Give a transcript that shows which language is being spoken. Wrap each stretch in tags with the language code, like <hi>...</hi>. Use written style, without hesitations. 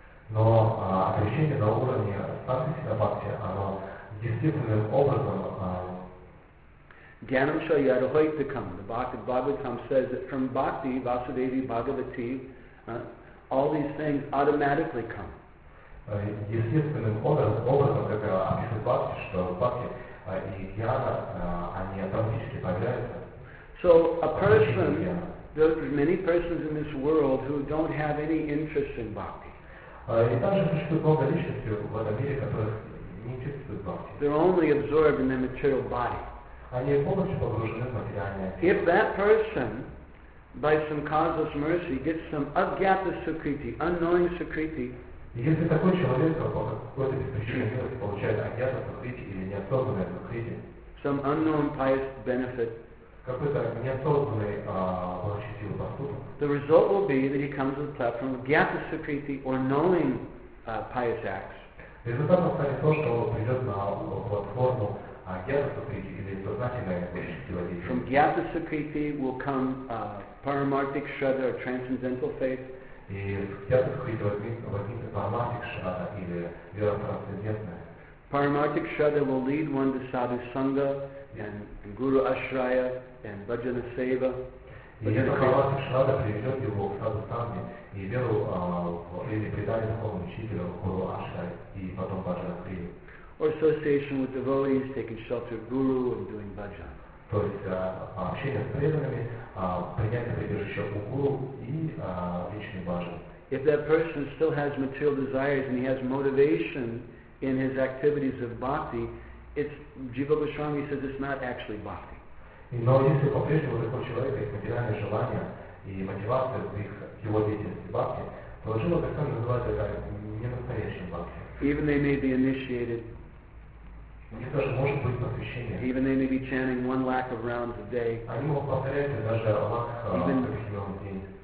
<ru>Но отречение на уровне Sangha-siddha bhakti, оно действительным образом.</ru> <sa>Gyanam shayara hoitakam.</sa> <en>The Bhagavatam says that from bhakti, Vasudevi, Bhagavati, all these things automatically come.</en> <ru>Естественным образом, как описывает бхакти, что бхакти и гьяна, они автоматически появляются.</ru> <en>So a person, there are many persons in this world who don't have any interest in bhakti.</en> <ru>И также существует много личностей в этом мире, которых не интересует бхакти.</ru> <en>They're only absorbed in their material body.</en> <ru>Они полностью погружены в материальное тело.</ru> <en>If that person, by some causeless mercy, gets some avgyata sukriti, unknowing sukriti,</en> <ru>если такой человек по какой-то причине получает агьята сукрити или неосознанное сукрити,</ru> <en>some unknown pious benefit,</en> <ru>какой-то неосознанный благочестивый поступок,</ru> <en>the result will be that he comes to the platform of agyata sukriti or knowing pious acts.</en> <ru>Результатом станет то, что он придет на платформу агьята сукрити или сознательное благочестивое действие.</ru> <en>From agyata sukriti will come paramarthic shraddha or transcendental faith.</en> <ru>И где-то возникнет парамартик шрада или вера трансцендентная.</ru> <en>Парамартик шрада will lead one to sadhu sangha and guru ashraya and bhajana seva.</en> <ru>И парамартик шрада приведет его к саду санге и веру в или предание духовному учителю, Гуру Ашхари, и потом Баджан Крию.</ru> <en>Or association with devotees, taking shelter of Guru and doing Bhajan.</en> <ru>То есть общение с преданными, принятие прибежища у Гуру и личный Баджан.</ru> <en>If that person still has material desires and he has motivation in his activities of bhakti, it's Jiva Goswami says it's not actually bhakti.</en> <ru>Но если по-прежнему такой человек есть материальные желания и мотивация в их его деятельности бхакти, то Джива Госвами называет это не настоящим бхакти.</ru> <en>Even they may be initiated.</en> <ru>Они даже могут быть посвящением.</ru> <en>Even they may be chanting 1 lakh of rounds a day.</en> <ru>Они могут повторять даже лакх каждый день.</ru>